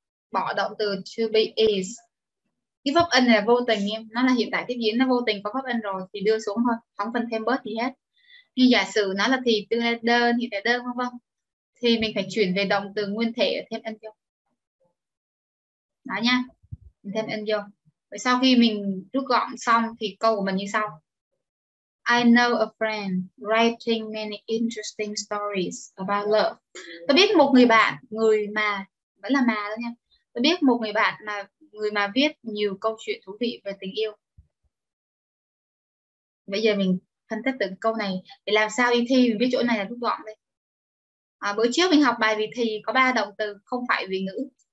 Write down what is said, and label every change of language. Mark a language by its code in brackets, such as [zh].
[vi] Bỏ động từ to be is. Cái verb in này là vô tình em, nó là hiện tại tiếp diễn, nó vô tình có verb in rồi thì đưa xuống thôi, không cần thêm bớt gì hết. Như giả sử nó là thì tương lai đơn, hiện tại đơn vân vân, thì mình phải chuyển về động từ nguyên thể thêm in vô. Đó nha, mình thêm in vô. Vậy sau khi mình rút gọn xong thì câu của mình như sau. [en] I know a friend writing many interesting stories about love. [vi] Tôi biết một người bạn, người mà, vẫn là mà đó nha. Tôi biết một người bạn mà người mà viết nhiều câu chuyện thú vị về tình yêu. Bây giờ mình phân tích từng câu này để làm sao đi thi mình biết chỗ này là rút gọn đây. À, bữa trước mình học bài vì thì có ba động từ không phải vì ngữ.